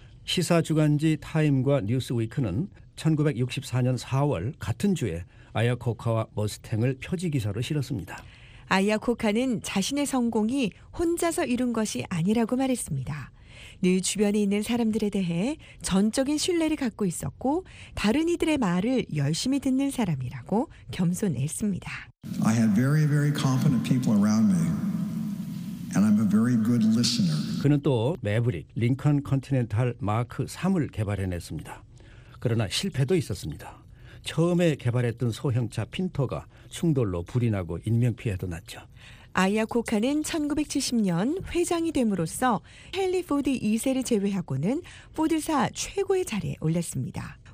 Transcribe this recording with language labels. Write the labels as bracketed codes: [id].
[ko] 시사 주간지 타임과 뉴스위크는 1964년 4월 같은 주에 아이아 코카와 머스탱을 표지 기사로 실었습니다. 아이아 코카는 자신의 성공이 혼자서 이룬 것이 아니라고 말했습니다. 늘 주변에 있는 사람들에 대해 전적인 신뢰를 갖고 있었고 다른 이들의 말을 열심히 듣는 사람이라고 겸손했습니다. [en] I have very, very competent people around me. And I'm a very good listener. [ko] 그는 또 매브릭, 링컨 컨티넨탈 마크 3을 개발해냈습니다. 그러나 실패도 있었습니다. 처음에 개발했던 소형차 핀토가 충돌로 불이 나고 인명피해도 났죠. 아이아 코카는 1970년 회장이 됨으로써 헨리 포드 2세를 제외하고는 포드사 최고의 자리에 올랐습니다.